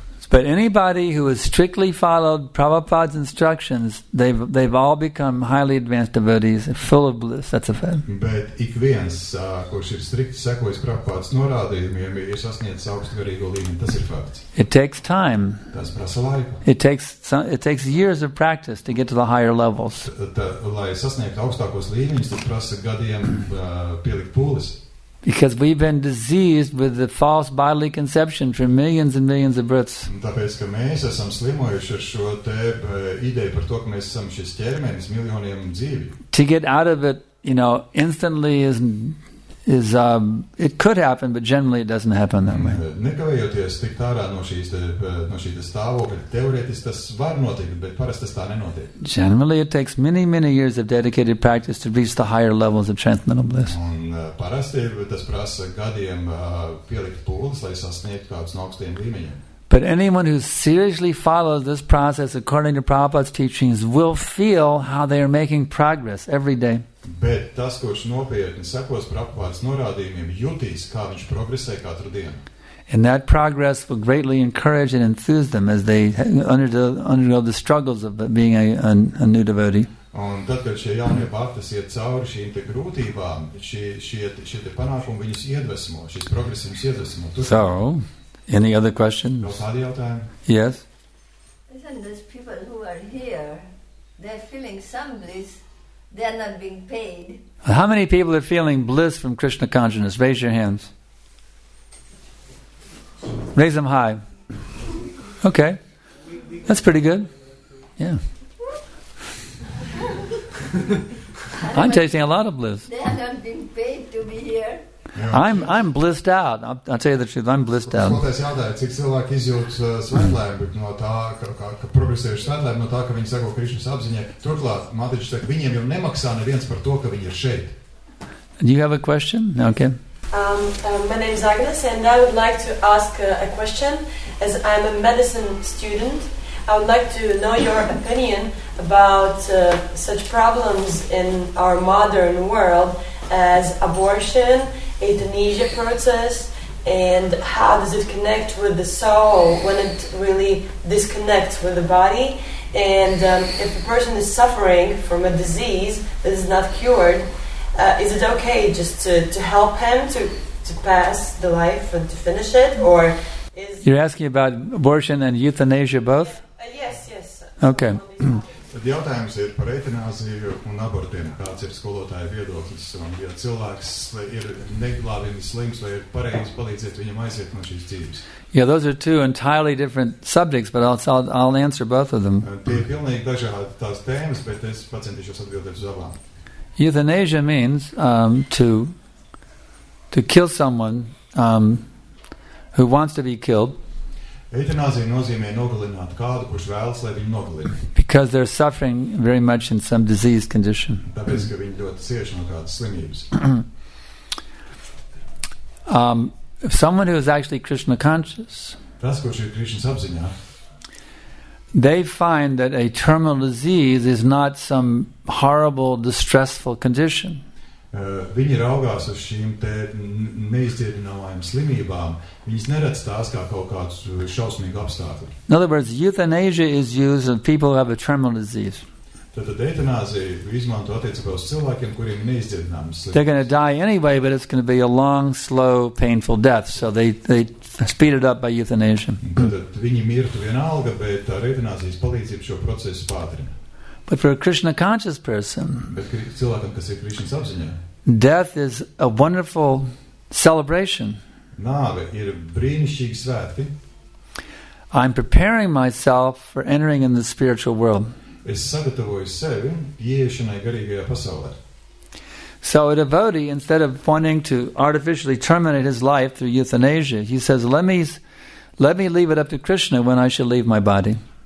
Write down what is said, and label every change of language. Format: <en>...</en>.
<en>But anybody who has strictly followed Prabhupada's instructions, they've all become highly advanced devotees, full of bliss. That's a fact.</en> <lv>But ik viens, kurš ir strikti sekojis Prabhupada's norādījumiem, ir sasniedzis augstu garīgo līmeni. Tas ir fakts.</lv> <en>It takes time.</en> <lv>Tas prasa laiku.</lv> <en>It takes years of practice to get to the higher levels.</en> <lv>Lai sasniegtu augstākos līmeņus, tas prasa gadiem pielikt pūles.</lv> <en>Because we've been diseased with the false bodily conception for millions and millions of births.</en> <lv>Tāpēc, ka mēs esam slimojuši ar šo te ideju par to, ka mēs esam šis ķermenis miljoniem dzīvi.</lv> <en>To get out of it, you know, instantly is it could happen, but generally it doesn't happen that way.</en> <lv>Nekavējoties tikt ārā no šī stāvokļa, teorētiski tas var notikt, bet parasti tas tā nenotiek.</lv> <en>Generally it takes many, many years of dedicated practice to reach the higher levels of transcendental bliss.</en> <lv>Un parasti tas prasa gadiem pielikt pūles, lai sasniegtu kādus no augstiem līmeņiem.</lv> <en>But anyone who seriously follows this process according to Prabhupada's teachings will feel how they are making progress every day.</en> <lv>Bet tas, kurš nopietni sekos Prabhupada's norādījumiem, jutīs, kā viņš progresē katru dienu.</lv> <en>And that progress will greatly encourage and enthuse them as they undergo the struggles of being a new devotee.</en> <lv>Un tad, kad šie jaunie bhaktas iet cauri šīm te grūtībām, šie te panākumi viņus iedvesmo, šis progress viņus iedvesmo.</lv> <en>So, any other questions?</en> <lv>No kādi jautājumi?</lv> <en>Yes. Listen, those people who are here, they're feeling some bliss. They are not being paid. How many people are feeling bliss from Krishna consciousness? Raise your hands. Raise them high. Okay. That's pretty good. Yeah. I'm tasting a lot of bliss. They are not being paid to be here. Yeah. I'm blissed out. I'll tell you the truth. I'm blissed out.</en> <lv>Es jautāju, cik cilvēki izjūtas svētlēm, bet no tā, ka progresējuši svētlēm, no tā, ka viņi seko Krišņas apziņē. Turklāt, Mātiņš saka, viņiem jau nemaksā neviens par to, ka viņi ir šeit.</lv> <en>Do you have a question? Okay. My name is Agnes, and I would like to ask a question. As I'm a medicine student, I would like to know your opinion about such problems in our modern world as abortion, euthanasia process, and how does it connect with the soul when it really disconnects with the body? And if a person is suffering from a disease that is not cured, is it okay just to help him to pass the life and to finish it? Or is you're asking about abortion and euthanasia both? Yes. Okay.</en> <lv>Tad jautājums ir par eitanāziju un abortiem, kāds ir skolotāja viedoklis, un ja cilvēks ir neglābīgi slims vai ir pareizi palīdzēt viņam aiziet no šīs dzīves.</lv> <en>Yeah, those are two entirely different subjects, but I'll answer both of them.</en> <lv>Tie ir pilnīgi dažādi tās tēmas, bet es pacientīšos atbildēt uz abām.</lv> <en>Euthanasia means to kill someone who wants to be killed.</en> <lv>Eitanāzija nozīmē nogalināt kādu, kurš vēlas, lai viņu nogalina.</lv> <en>Because they're suffering very much in some disease condition.</en> <lv>Tāpēc, ka viņi ļoti cieši no kādas slimības.</lv> <en>If someone who is actually Krishna conscious,</en> <lv>tas, kurš ir Krišnas apziņā,</lv> <en>they find that a terminal disease is not some horrible, distressful condition.</en> <lv>Viņi raugās uz šīm te neizdziedināmajām slimībām. Viņas neredz tās kā kaut kāds šausmīgu apstākli.</lv> <en>In other words, euthanasia is used on people who have a terminal disease.</en> <lv>Tātad eitanāzija izmanto attiecībā uz cilvēkiem, kuriem neizdziedināmas slimības.</lv> <en>They're going to die anyway, but it's going to be a long, slow, painful death. So they speed it up by euthanasia.</en> <lv>Tātad viņi mirtu vienalga, bet ar eitanāzijas palīdzību šo procesu pātrina.</lv> <en>But for a Krishna-conscious person,</en> <lv>bet cilvēkam, kas ir Krišnas apziņā,</lv> <en>death is a wonderful celebration.</en> <lv>Nāve ir brīnišķīgi svēti.</lv> <en>I'm preparing myself for entering in the spiritual world.</en> <lv>Es sagatavoju sevi ieiešanai garīgajā pasaulē.</lv> <en>So a devotee, instead of wanting to artificially terminate his life through euthanasia, he says, let me leave it up to Krishna when I shall leave my body.</en>